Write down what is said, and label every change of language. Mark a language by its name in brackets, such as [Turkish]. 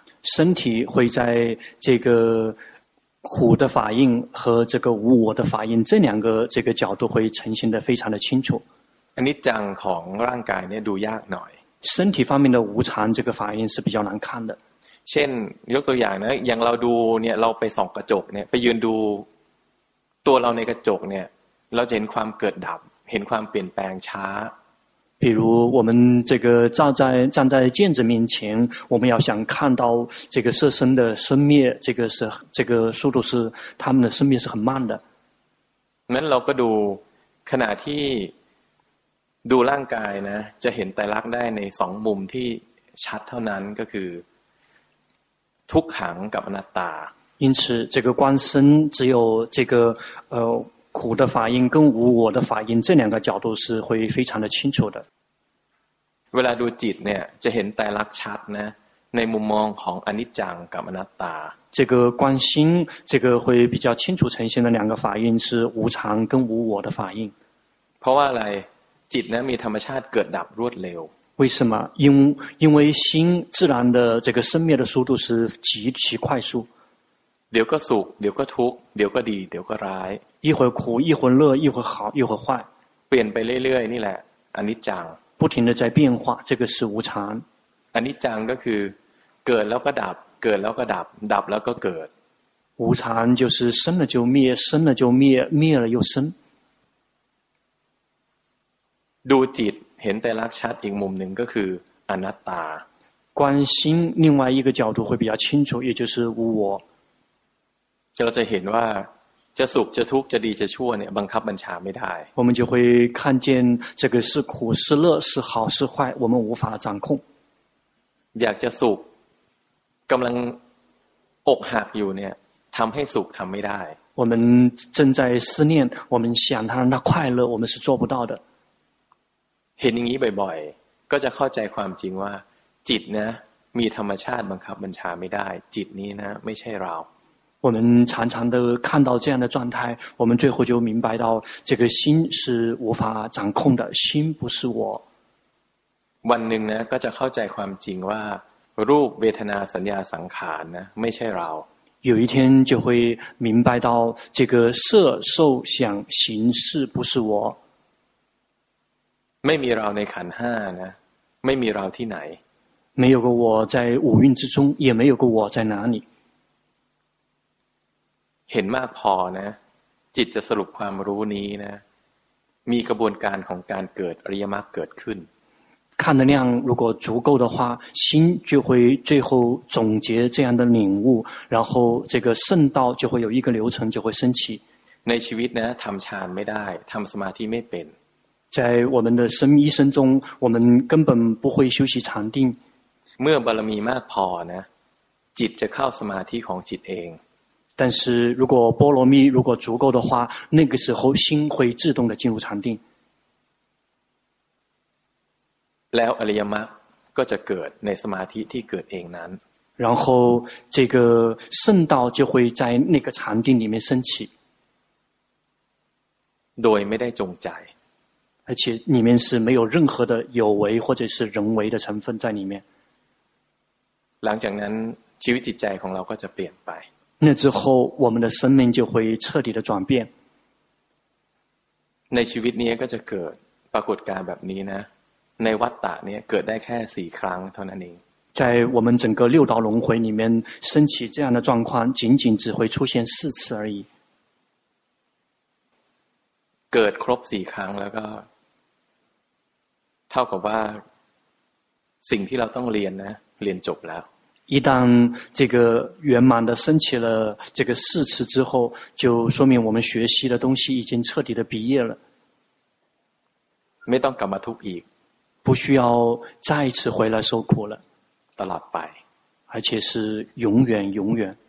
[Chinese] 身体会在这个苦的法印和这个无我的法印这两个这个角度会呈现得非常的清楚 [Thai] อนิจจังของร่างกายเนี่ยดูยากหน่อย [Chinese] 身体方面的无常这个法印是比较难看的 [Thai] เช่นยกตัวอย่างนะอย่างเราดูเนี่ยเราไปส่องกระจกเนี่ยไปยืนดูตัวเราในกระจกเนี่ยเราจะเห็นความเกิดดับเห็นความเปลี่ยนแปลงช้า [Chinese] 比如我们这个站在镜子面前我们要想看到这个色身的生灭这个是这个速度是他们的生灭是很慢的 [Thai] งั้นเราก็ดูขณะที่ดูร่างกายนะจะเห็นไตรลักษณ์ได้ในสองมุมที่ชัดเท่านั้นก็คือทุกขังกับอนัตตา [Chinese] 因此这个观身只有这个苦的法印跟无我的法印这两个角度是会非常的清楚的。 [Thai] เวลาดูจิตเนี่ยจะเห็นไตรลักษณ์ชัดนะในมุมมองของอนิจจังกับอนัตตา [Chinese] 这个观心这个会比较清楚呈现的两个法印是无常跟无我的法印。 [Thai] เพราะว่าอะไรจิตนะมีธรรมชาติเกิดดับรวดเร็ว [Chinese] 为什么因为心自然的这个生灭的速度是极其快速。 [Thai] เดี๋ยวก็สุขเดี๋ยวก็ทุกข์เดี๋ยวก็ดีเดี๋ยวก็ร้าย [Chinese] 一会儿苦一会儿乐一会儿好一会儿坏 [Thai] เปลี่ยนไปเรื่อยๆนี่แหละอนิจจัง [Chinese] 不停的在变化这个是无常 [Thai] อนิจจังก็คือเกิดแล้วก็ดับเกิดแล้วก็ดับดับแล้วก็เกิด [Chinese] 无常就是生了就灭生了就灭灭了又生 [Thai] ดูจิตเห็นไตรลักษณ์ชัดอีกมุมหนึ่งก็คืออนัตตา [Chinese] 观心另外一个角度会比较清楚也就是无我 [Thai] เราจะเห็นว่าจะสุขจะทุกข์จะดีจะชั่วเนี่ยบังคับบัญชาไม่ได้ [Chinese] 我们就会看见这个是苦是乐是好是坏我们无法掌控 [Thai] อยากจะสุขกำลังอกหักอยู่เนี่ยทำให้สุขทำไม่ได้ [Chinese] 我们正在思念我们想他让他快乐我们是做不到的 [Thai] เห็นอย่างนี้บ่อยๆก็จะเข้าใจความจริงว่าจิตนะมีธรรมชาติบังคับบัญชาไม่ได้จิตนี้นะไม่ใช่เรา [Chinese] 我们常常的看到这样的状态，我们最后就明白到，这个心是无法掌控的，心不是我。 [Thai] วันหนึ่งนะก็จะเข้าใจความจริงว่ารูปเวทนาสัญญาสังขารนะไม่ใช่เรา。 [Chinese] 有一天就会明白到这个色受想行识不是我。 [Thai] ไม่มีเราในขันห้านะไม่มีเราที่ไหน。 [Chinese] 没有个我在五蕴之中，也没有个我在哪里。 [Thai] เห็นมากพอนะจิตจะสรุปความรู้นี้นะมีกระบวนการของการเกิดอริยมรรคเกิดขึ้น [Chinese] 看的量如果足够的话心就会最后总结这样的领悟然后这个圣道就会有一个流程就会升起 [Thai] ในชีวิตนะทำฌานไม่ได้ทำสมาธิไม่เป็น [Chinese] 在我们的生一生中我们根本不会修习禅定 [Thai] เมื่อบารมีมากพอนะจิตจะเข้าสมาธิของจิตเอง [Chinese] 但是如果波罗蜜如果足够的话那个时候心会自动的进入禅定 [Thai] แล้วอริยมรรคก็จะเกิดในสมาธิที่เกิดเองนั้น [Chinese] 然后这个圣道就会在那个禅定里面升起 [Thai] โดยไม่ได้จงใจ [Chinese] 而且里面是没有任何的有为或者是人为的成分在里面 [Thai] หลังจากนั้นชีวิตจิตใจของเราก็จะเปลี่ยนไป นั่น [Chinese] 之后我们的生命就会彻底的转变 [Thai] ในชีวิตนี้ก็จะเกิดปรากฏการณ์แบบนี้นะในวัฏฏะเนี่ยเกิดได้แค่4ครั้งเท่านั้นเอง [Chinese] 在我们整个六道轮回里面升起这样的状况仅仅只会出现4次而已 [Thai] เกิดครบ4ครั้งแล้วก็เท่ากับว่าสิ่งที่เราต้องเรียนนะเรียนจบแล้ว [Chinese] 一旦这个圆满的升起了这个四次之后就说明我们学习的东西已经彻底的毕业了 [Thai] ไม่ต้องกลับมาทุกข์อีก [Chinese] 不需要再次回来受苦了 [Thai] ตลอดไป [Chinese] 而且是永远永远